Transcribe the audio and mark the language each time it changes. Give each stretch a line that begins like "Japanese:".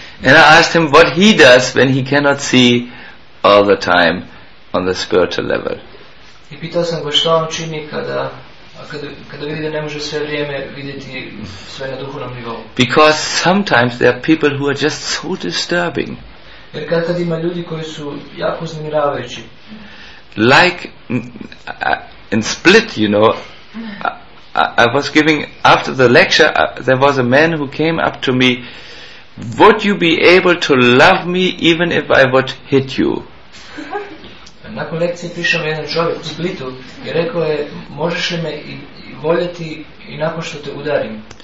English: And I asked him what he does when he cannot see all the time on the spiritual level.
Croatian: I pitao sam ga što on čini kada vidi da ne može sve vrijeme vidjeti sve na duhovnom nivou.
English: Because sometimes there are people who are just so disturbing.
Croatian: Jer kad ima ljudi koji su jako uznemiravajući.
English: Like in Split, you know, I was giving, after the lecture, there was a man who came up to me, would you be able to love me even if I would hit you?
Croatian: Nakon lekcije prišao mi jedan čovjek u Splitu i rekao je, možeš li me voljeti i nakon što te udarim?